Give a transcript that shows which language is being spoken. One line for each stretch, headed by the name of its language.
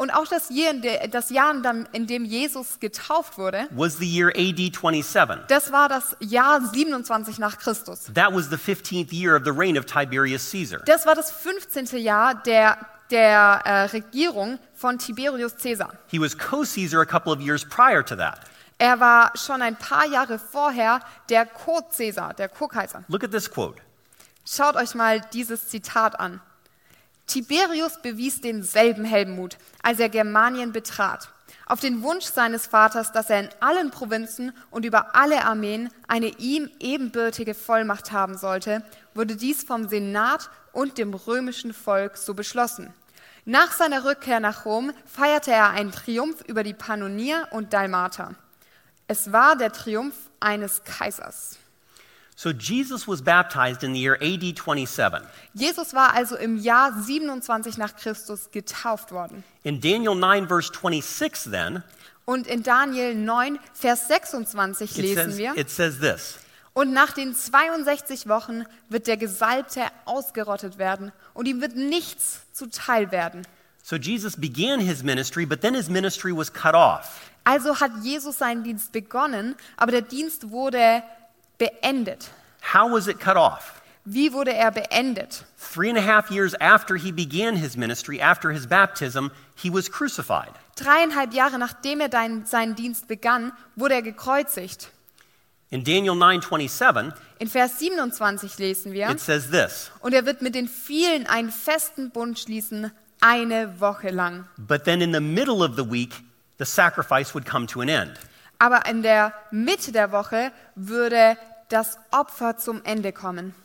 German: Und auch das Jahr, in dem Jesus getauft wurde.
English: Was the year AD 27.
German: Das war das Jahr 27 nach Christus.
English: That was the 15th year of the reign of Tiberius Caesar.
German: Das war das 15. Jahr der Regierung von Tiberius Caesar.
English: He was co-Caesar a couple of years prior to that.
German: Er war schon ein paar Jahre vorher der Co-Caesar, der Co-Kaiser.
English: Look at this quote.
German: Schaut euch mal dieses Zitat an. Tiberius bewies denselben Heldenmut, als er Germanien betrat, auf den Wunsch seines Vaters, dass er in allen Provinzen und über alle Armeen eine ihm ebenbürtige Vollmacht haben sollte, wurde dies vom Senat und dem römischen Volk so beschlossen. Nach seiner Rückkehr nach Rom feierte er einen Triumph über die Pannonier und Dalmater. Es war der Triumph eines Kaisers.
English: So Jesus was baptized in the year AD 27.
German: Jesus war also im Jahr 27 nach Christus getauft worden.
English: In Daniel 9 verse 26 then.
German: Und in Daniel 9 Vers 26 lesen wir.
English: It says this.
German: Und nach den 62 Wochen wird der Gesalbte ausgerottet werden und ihm wird nichts zuteil werden.
English: So Jesus began his ministry, but then his ministry was cut off.
German: Also hat Jesus seinen Dienst begonnen, aber der Dienst wurde beendet.
English: How was it cut off?
German: Wie wurde er beendet?
English: 3.5 years after he began his ministry, after his baptism, he was crucified.
German: 3.5 Jahre nachdem er seinen Dienst begann, wurde er gekreuzigt.
English: In Daniel 9:27,
German: in Vers 27 lesen wir,
English: it says this,
German: und er wird mit den vielen einen festen Bund schließen, eine Woche lang.
English: But then in the middle of the week, the sacrifice would come to an end.
German: Aber in der Mitte der Woche würde das Opfer zum Ende kommen.